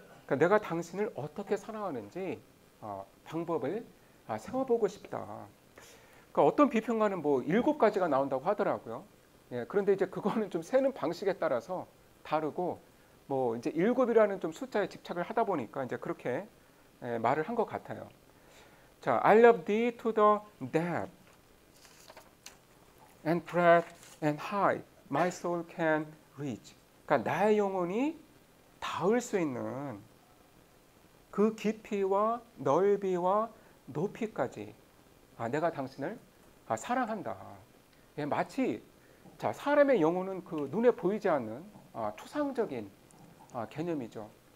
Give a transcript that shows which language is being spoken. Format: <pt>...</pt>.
<ko>그러니까 내가 당신을 어떻게 사랑하는지 방법을 세워보고 싶다. 그러니까 어떤 비평가는 뭐 7가지가 나온다고 하더라고요. 예, 그런데 이제 그거는 좀 세는 방식에 따라서 다르고, 뭐 이제 7이라는 좀 숫자에 집착을 하다 보니까 이제 그렇게 말을 한것 같아요.</ko> <en>자, I love thee to the depth and breadth and height my soul can reach.</en> <ko>그러니까 나의 영혼이 닿을 수 있는 그 깊이와 넓이와 높이까지 내가 당신을 사랑한다. 예, 마치 자, 사람의 영혼은 그 눈에 보이지 않는 초상적인 개념이죠.</ko>